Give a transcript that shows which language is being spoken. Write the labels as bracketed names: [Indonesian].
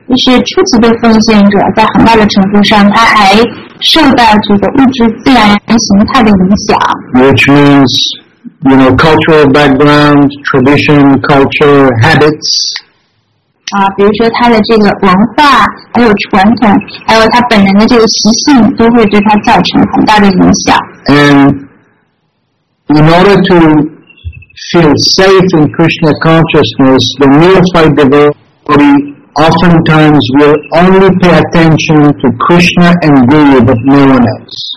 [Chinese] 一些初级的奉献者在很大的程度上他还受到这个物质自然形态的影响。 [English] Which means, you know, cultural background, tradition, culture, habits. [Chinese] 比如说他的这个文化还有传统还有他本人的这个习性都会对他造成很大的影响。 [English] And in order to feel safe in Krishna consciousness, the neophyte devotee,oftentimes will only pay attention to Krishna and Guru, but no one else.